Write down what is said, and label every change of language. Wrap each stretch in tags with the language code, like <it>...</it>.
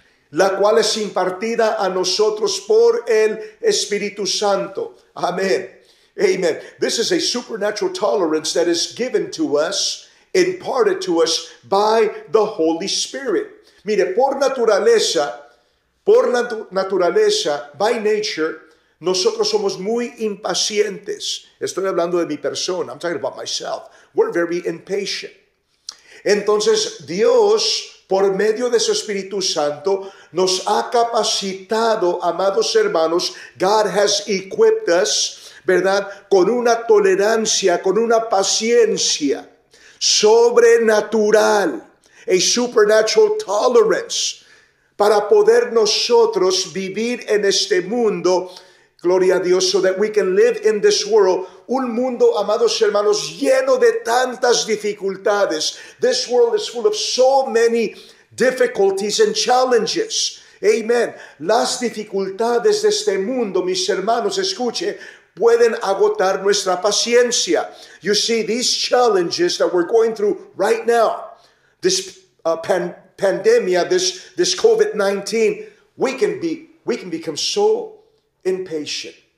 <es>la cual es impartida a nosotros por el Espíritu Santo. Amén. Amen.</es> <en>This is a supernatural tolerance that is given to us, imparted to us by the Holy Spirit.</en> <es>Mire, por naturaleza,</es> <en>by nature,</en> <es>nosotros somos muy impacientes. Estoy hablando de mi persona.</es> <en>I'm talking about myself. We're very impatient.</en> <es>Entonces, Dios, por medio de su Espíritu Santo, nos ha capacitado, amados hermanos,</es> <en>God has equipped us,</en> <es>¿verdad?, con una tolerancia, con una paciencia sobrenatural,</es> <en>a supernatural tolerance,</en> <es>para poder nosotros vivir en este mundo, gloria a Dios,</es> <en>so that we can live in this world,</en> <es>un mundo, amados hermanos, lleno de tantas dificultades.</es> <en>This world is full of so many difficulties and challenges. Amen.</en> <es>Las dificultades de este mundo, mis hermanos, escuche, pueden agotar nuestra paciencia.</es> <en>You see, these challenges that we're going through right now, this pandemia, this COVID-19, we can become so impatient.</en>